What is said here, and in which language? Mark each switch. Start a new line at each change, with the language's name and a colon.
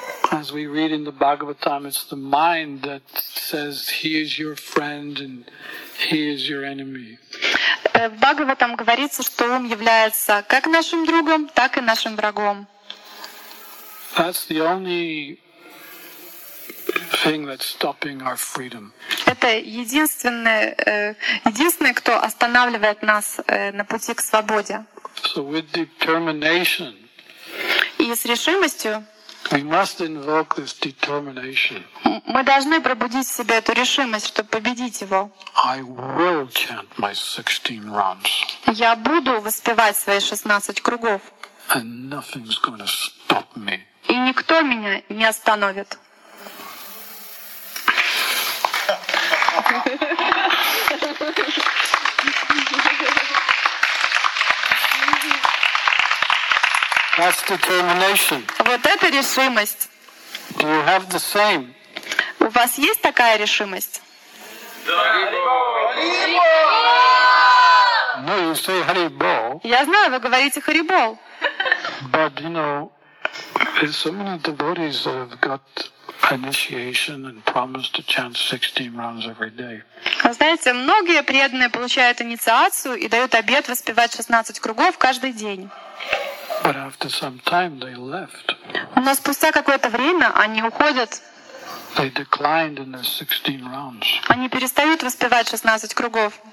English: As we read in the Bhagavatam, it's the mind that says he is your friend and he is your enemy.
Russian: В Бхагаватам говорится, что ум является как нашим другом, так и нашим врагом.
English: That's the only thing that's stopping our freedom.
Russian: Это единственное, кто останавливает нас на пути к свободе.
English: So with determination.
Russian: И с решимостью.
English: We must invoke this determination.
Russian: Мы должны пробудить в себе эту решимость, чтобы победить его.
English: I will chant my 16 rounds.
Russian: Я буду воспевать свои 16 кругов.
English: And nothing's gonna stop me.
Russian: И никто меня не остановит.
English: That's determination.
Russian: Вот это решимость.
English: Do you have the same?
Russian: У вас есть такая решимость? Да, Харибо! Харибо!
English: No, you say Харибо.
Russian: Я знаю, вы говорите Харибо.
English: But, you know, so many devotees have got initiation and promise to chant 16 rounds every day.
Russian: Вы знаете, многие преданные получают инициацию и дают обет воспевать 16 кругов каждый день.
English: But after some time they left.
Russian: Но спустя какое-то время они уходят.
English: They declined in their 16 rounds.
Russian: Они перестают воспевать 16 кругов.